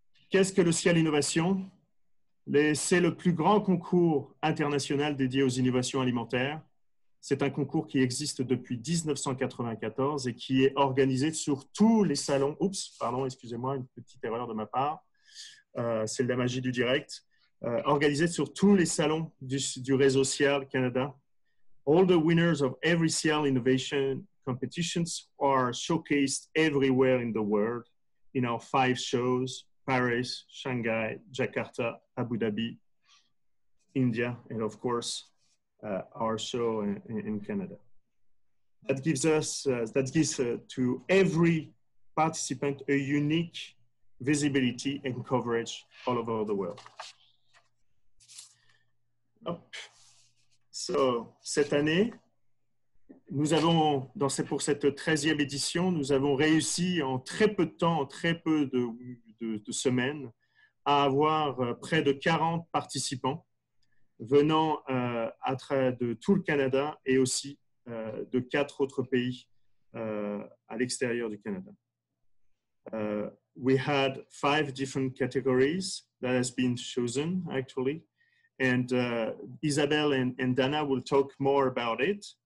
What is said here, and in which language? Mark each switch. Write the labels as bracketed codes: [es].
[fr] Qu'est-ce que le Cial Innovation? C'est le plus grand concours international dédié aux innovations alimentaires. C'est un concours qui existe depuis 1994 et qui est organisé sur tous les salons. Oups, pardon, excusez-moi, une petite erreur de ma part. C'est la magie du direct. Organisé sur tous les salons du réseau Cial Canada. [en] All the winners of every Cial Innovation competitions are showcased everywhere in the world in our five shows: Paris, Shanghai, Jakarta, Abu Dhabi, India, and of course, our show in Canada. That gives us, to every participant a unique visibility and coverage all over the world. [fr] So, cette année, nous avons, pour cette 13e édition, nous avons réussi en très peu de temps, en très peu de semaines, à avoir près de 40 participants venant à travers de tout le Canada et aussi de 4 autres pays à l'extérieur du Canada. [en] We had 5 different categories that has been chosen actually, and Isabelle and Dana will talk more about it.